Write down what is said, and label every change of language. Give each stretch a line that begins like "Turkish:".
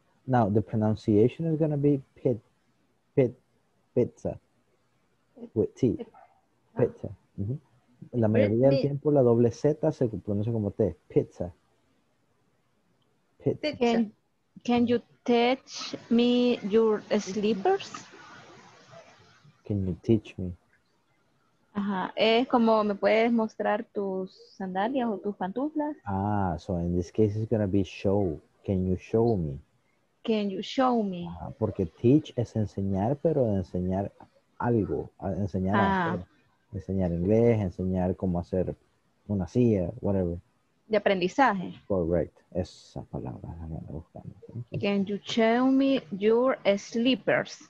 English: Now the pronunciation is going to be pizza with T. Pizza. Uh-huh.
Spanish: La mayoría del tiempo la doble Z se pronuncia como T.
English: Pizza. Pizza. Can you teach me your slippers? Can you teach me?
Spanish: Ajá. Es como me puedes mostrar tus sandalias o tus pantuflas.
English: Ah, so in this case it's going to be show. Can you show me? Can you show me?
Spanish: Ajá, porque teach es enseñar, pero enseñar algo. Enseñar enseñar inglés, enseñar cómo hacer una silla, whatever. De aprendizaje. Correct. Esa palabra.
English: Can you show me your slippers?